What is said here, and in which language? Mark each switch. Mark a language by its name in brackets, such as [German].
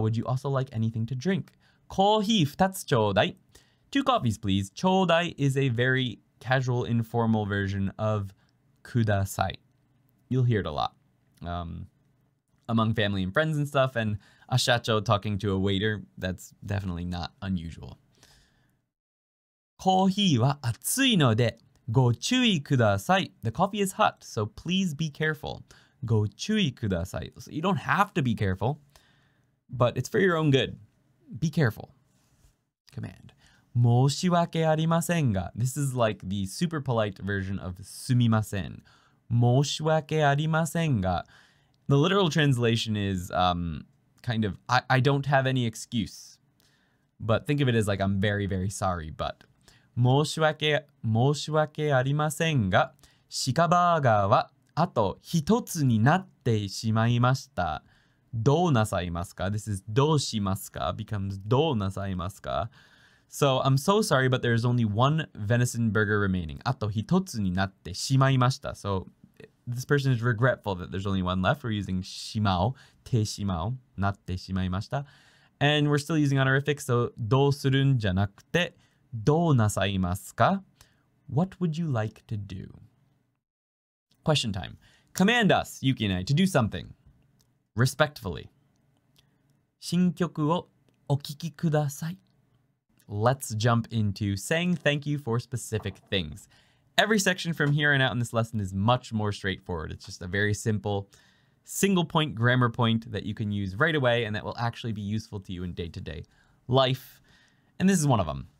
[English] Would you also like anything to drink? Coffee [Japanese] 2つちょうだい. [English] 2 coffees, please. ちょうだい is a very casual, informal version of kudasai. You'll hear it a lot among family and friends and stuff. And a shacho talking to a waiter, that's definitely not unusual. [Japanese] コーヒーは熱いので、ご注意ください。 [English] The coffee is hot, so please be careful. [Japanese] ご注意ください。 [English] So you don't have to be careful, but it's for your own good. Be careful. Command. [Japanese] 申し訳ありませんが。 [English] This is like the super polite version of すみません。 [Japanese] 申し訳ありませんが。 [English] The literal translation is kind of, I don't have any excuse. But think of it as like, I'm very, very sorry, but... [Japanese] 申し訳ありませんが、シカバーガーはあと一つになってしまいました。どうなさいますか? [English] This is [Japanese] どうしますか? [English] becomes [Japanese] どうなさいますか? [English] So, I'm so sorry, but there is only one venison burger remaining. [Japanese] あと一つになってしまいました。 [English] So, this person is regretful that there's only one left. We're using [Japanese] しまお、てしまお、なってしまいました。 [English] And we're still using honorific, so [Japanese] どうするんじゃなくて、どうなさいますか? [English] What would you like to do? Question time. Command us, Yuki and I, to do something. Respectfully. [Japanese] 新曲をお聴きください。 [English] Let's jump into saying thank you for specific things. Every section from here on out in this lesson is much more straightforward. It's just a very simple single point grammar point that you can use right away and that will actually be useful to you in day-to-day life. And this is one of them.